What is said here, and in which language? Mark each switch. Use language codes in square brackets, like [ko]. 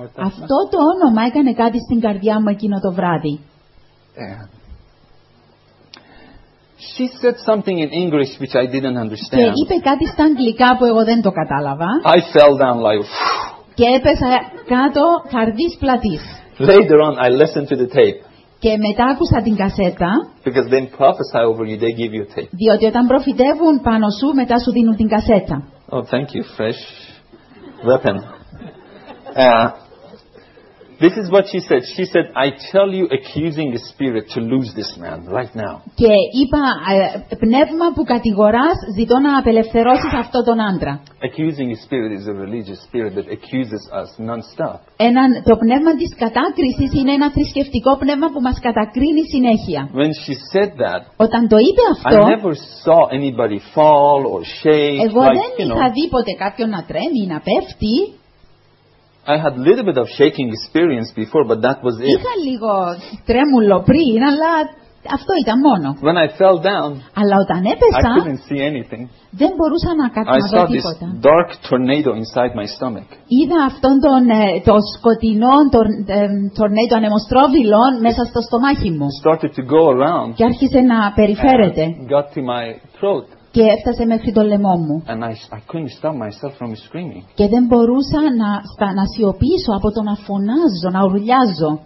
[el] αυτό το όνομα έκανε κάτι στην καρδιά μου εκείνο το βράδυ. [en] She said something in English which I didn't understand. [el] Και είπε κάτι στα αγγλικά που εγώ δεν το κατάλαβα. [en] I fell down like, [el] και έπεσα κάτω καρδής πλατής. [en] Later on, I listened to the tape. [el] Και μετά άκουσα την κασέτα. [en] Because they prophesy over you, they give you a tape. [el] Διότι όταν προφητεύουν πάνω σου, μετά σου δίνουν την κασέτα. [en] Oh, thank you, fresh weapon. This is what she said. She said, I tell you, accusing the spirit to lose this man right now. [el] Και είπα, πνεύμα που κατηγοράς, ζητώ να απελευθερώσεις αυτό τον άντρα. [en] Accusing the spirit is a religious spirit that accuses us non-stop. [el] Το πνεύμα της κατάκρισης είναι ένα θρησκευτικό πνεύμα που μας κατακρίνει συνέχεια. [en] When she said that, [el] όταν το είπε αυτό, [en] I never saw anybody fall or shake. [el] Εγώ [en] like, [el] δεν είχα δει ποτέ κάποιον να τρέμει ή να πέφτει. [en] I had a little bit of shaking experience before, but that was it. [el] Είχα λίγο τρέμουλο πριν, αλλά αυτό ήταν μόνο. [en] When I fell down, [el] αλλά όταν έπεσα, [en] I couldn't see anything. [el] Δεν μπορούσα να καταλάβω τίποτα. [en] I saw this dark tornado inside my stomach. [el] Είδα αυτόν τον το σκοτεινό τορνέδο ανεμοστρόβιλο μέσα στο στομάχι μου. [en] Started to go around. [el] Και άρχισε να περιφέρεται. [en] Got to my throat. [el] Και έφτασε μέχρι το λαιμό μου. [en] And I couldn't stop myself from screaming. [el] Και δεν μπορούσα να σιωπήσω από το να φωνάζω, να ουρλιάζω.